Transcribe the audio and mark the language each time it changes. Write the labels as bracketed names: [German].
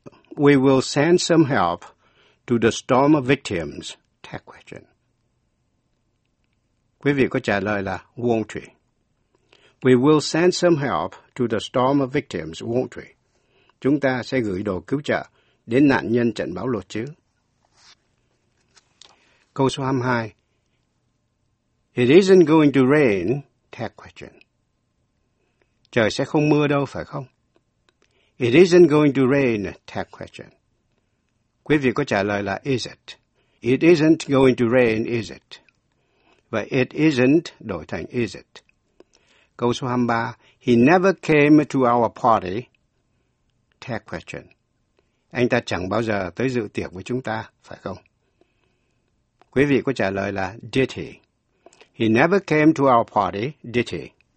[English] We will send some help to the storm victims. Third question. [Vietnamese] Quý vị có trả lời là [English] won't we? We will send some help to the storm victims, won't we? [Vietnamese] Chúng ta sẽ gửi đồ cứu trợ đến nạn nhân trận bão lụt chứ. Câu số 22. [English] It isn't going to rain. Third question. [Vietnamese] Trời sẽ không mưa đâu phải không? [English] It isn't going to rain. Third question. [Vietnamese] Quý vị có trả lời là [English] is it? It isn't going to rain, is it? [Vietnamese] Và [English] it isn't [Vietnamese] đổi thành [English] is it. [Vietnamese] Câu số 23. [English] He never came to our party. Third question. [Vietnamese] Anh ta chẳng bao giờ tới dự tiệc với chúng ta, phải không? Quý vị có trả lời là [English] did he? He never came to our party, did he?